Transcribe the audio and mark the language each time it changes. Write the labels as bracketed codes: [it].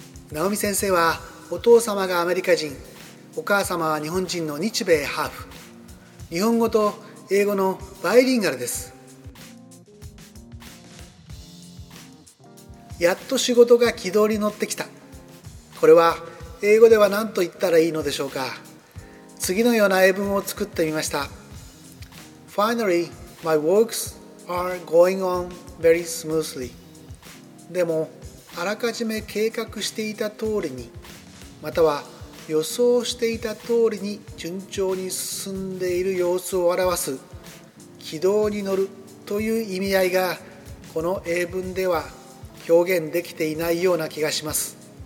[ja] 直美先生はお父様がアメリカ人、お母様は日本人の日米ハーフ、日本語と英語のバイリンガルです。やっと仕事が軌道に乗ってきた、これは英語では何と言ったらいいのでしょうか。次のような英文を作ってみました。 [en] Finally, my works are going on very smoothly. [ja] でも、あらかじめ計画していた通りに、または予想していた通りに順調に進んでいる様子を表す軌道に乗るという意味合いが、この英文では表現できていないような気がします。